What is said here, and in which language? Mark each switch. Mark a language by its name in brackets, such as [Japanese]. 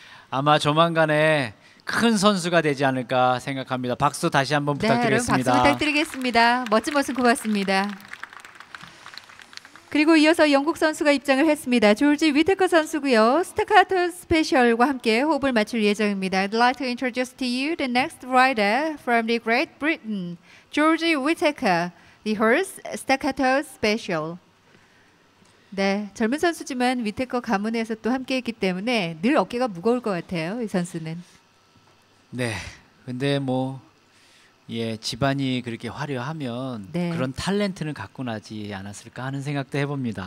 [Korean] 아마 조만간에 큰 선수가 되지 않을까 생각합니다. 박수 다시 한번 부탁드리겠습니다. 네, 여러분 박수 부탁드리겠습니다. 멋진 모습 고맙습니다. 그리고 이어서 영국 선수가 입장을 했습니다. 조지 위테커 선수고요. 스타카토 스페셜과 함께 호흡을 맞출 예정입니다. [English] I'd like to introduce to you the next rider from the Great Britain, George Whittaker, the horse Staccato Special. [Korean] 네, 젊은 선수지만 위테커 가문에서 또 함께했기 때문에 늘 어깨가 무거울 것 같아요, 이 선수는. 네, 근데 뭐, 예, 집안이 그렇게 화려하면 네. 그런 탤런트는 갖고 나지 않았을까 하는 생각도 해봅니다.